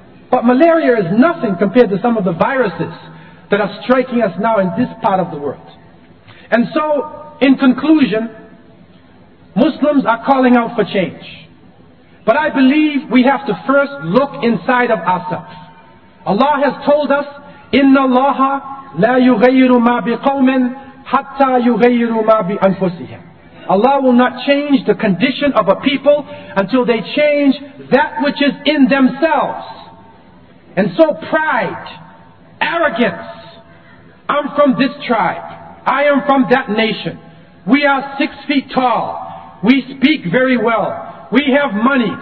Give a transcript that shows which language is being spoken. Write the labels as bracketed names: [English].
[English] But malaria is nothing compared to some of the viruses that are striking us now in this part of the world. And so, in conclusion, Muslims are calling out for change. But I believe we have to first look inside of ourselves. Allah has told us, [Arabic] إِنَّ اللَّهَ لَا يُغَيِّرُ مَا بِقَوْمٍ حَتَّى يُغَيِّرُ مَا بِأَنفُسِهِمْ. [English] Allah will not change the condition of a people until they change that which is in themselves. And so pride, arrogance, I'm from this tribe, I am from that nation, we are 6 feet tall, we speak very well, we have money.